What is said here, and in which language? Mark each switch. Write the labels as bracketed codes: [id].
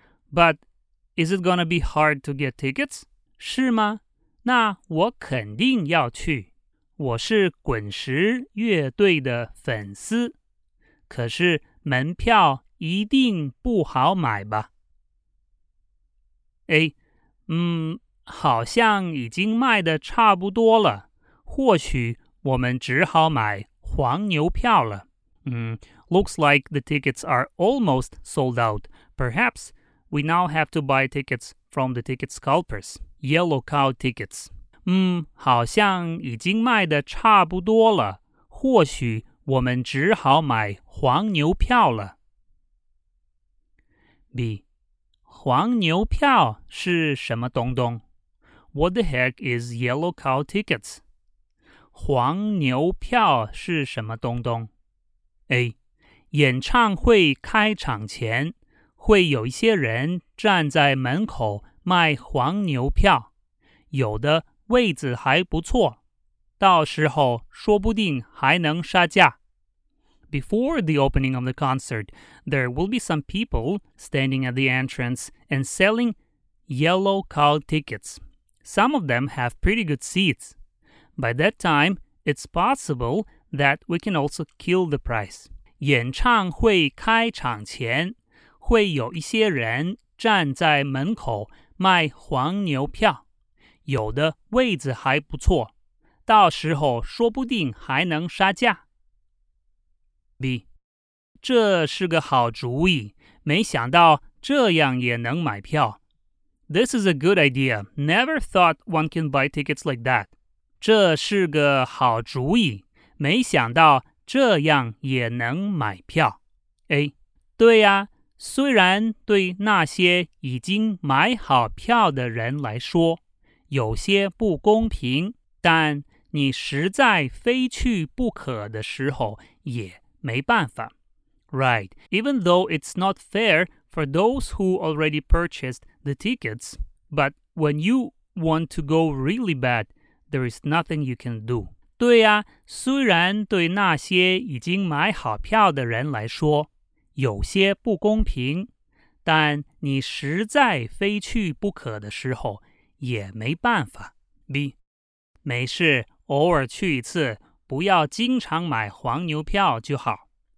[en] But is it gonna be hard to get tickets? [zh] 是吗？那我肯定要去。我是滚石乐队的粉丝，可是门票一定不好买吧。 A， 好像已经卖得差不多了，或许我们只好买黄牛票了。 [en] Looks like the tickets are almost sold out. Perhaps we now have to buy tickets from the ticket scalpers, yellow cow tickets. [zh] 好像已经卖得差不多了。或许我们只好买黄牛票了。 B， 黄牛票是什么东东 [en] ？What the heck is yellow cow tickets？ [zh] 黄牛票是什么东东？A， 演唱会开场前会有一些人站在门口卖黄牛票，有的。位子还不错，到时候说不定还能杀价。 [en] Before the opening of the concert, there will be some people standing at the entrance and selling yellow card tickets. Some of them have pretty good seats. By that time, it's possible that we can also kill the price. [zh] 演唱会开场前，会有一些人站在门口卖黄牛票，有的位置还不错，到时候说不定还能杀价。 B， 这是个好主意，没想到这样也能买票。 [en] This is a good idea. Never thought one can buy tickets like that. [zh] 这是个好主意，没想到这样也能买票。 A， 对呀，虽然对那些已经买好票的人来说，有些不公平，但你实在非去不可的时候也没办法。 [en] Right, even though it's not fair for those who already purchased the tickets, but when you want to go really bad, there is nothing you can do. [zh] 对呀，虽然对那些已经买好票的人来说，有些不公平，但你实在非去不可的时候，也没办法。 B， 没事，偶尔去一次，不要经常买黄牛票就好。